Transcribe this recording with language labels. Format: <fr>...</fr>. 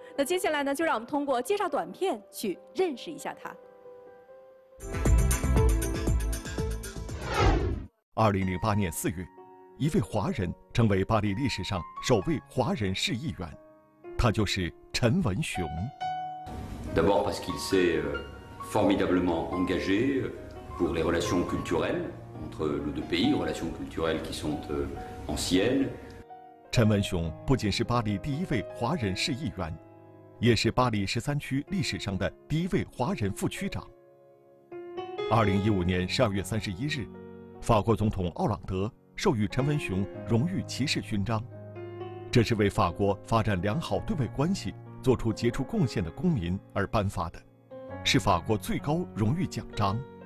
<zh>那接下来呢，就让我们通过介绍短片去认识一下他。 2008年4月，一位华人成为巴黎历史上首位华人市议员，他就是陈文雄。</zh> <fr>D'abord parce qu'il s'est formidablement engagé pour les relations culturelles entre nos deux pays, relations culturelles qui sont anciennes.</fr> <zh>陈文雄不仅是巴黎第一位华人市议员，也是巴黎十三区历史上的第一位华人副区长。 2015年12月31日，法国总统奥朗德授予陈文雄荣誉骑士勋章，这是为法国发展良好对外关系做出杰出贡献的公民而颁发的，是法国最高荣誉奖章。</zh>